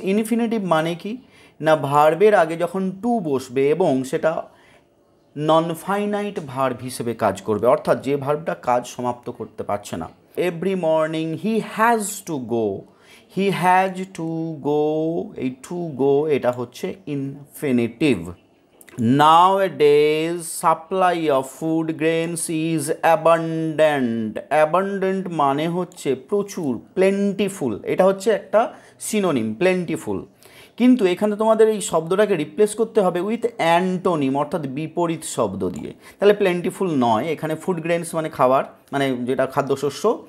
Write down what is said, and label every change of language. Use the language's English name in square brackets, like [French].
[Bangla] Infinitive মানে কি, না ভার্বের আগে যখন টু বসবে এবং সেটা নন ফাইনাইট ভার্ব হিসেবে কাজ করবে, অর্থাৎ যে ভার্বটা কাজ সমাপ্ত করতে পারছে না। [English] every morning he has to go, he has to go, এই to go [Bangla] এটা হচ্ছে infinitive. [English] Nowadays, supply of food grains is abundant. [Bangla] Abundant মানে হচ্ছে প্রচুর, plentiful. এটা হচ্ছে একটা synonym, plentiful. কিন্তু এখানে তোমাদের এই শব্দটাকে রিপ্লেস করতে হবে উইথ অ্যান্টোনিম, অর্থাৎ বিপরীত শব্দ দিয়ে। তাহলে প্লেন্টিফুল নয়, এখানে ফুড গ্রেনস মানে খাবার, মানে যেটা খাদ্যশস্য।